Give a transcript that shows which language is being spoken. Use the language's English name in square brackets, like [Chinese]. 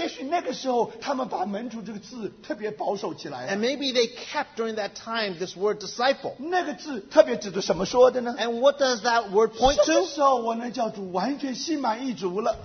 [Chinese] 也许那个时候他们把门徒这个字特别保守起来了。 [English] And maybe they kept during that time this word disciple. [Chinese] 那个字特别指的什么说的呢? [English] And what does that word point to? [Chinese] 什么时候我能叫主完全心满意足了?